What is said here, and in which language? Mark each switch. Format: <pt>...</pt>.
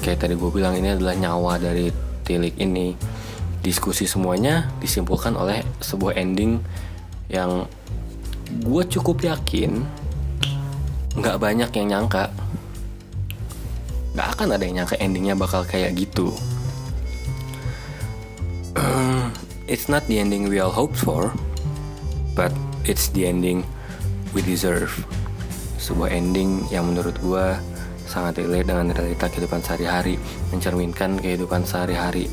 <id>Kayak tadi gue bilang, ini adalah nyawa dari Tilik ini. Diskusi semuanya disimpulkan oleh sebuah ending yang gue cukup yakin gak banyak yang nyangka. Gak akan ada yang nyangka endingnya bakal kayak gitu.</id> <en>It's not the ending we all hoped for, but it's the ending we deserve.</en> <id>Sebuah ending yang menurut gue sangat relate dengan realita kehidupan sehari-hari, mencerminkan kehidupan sehari-hari.</id>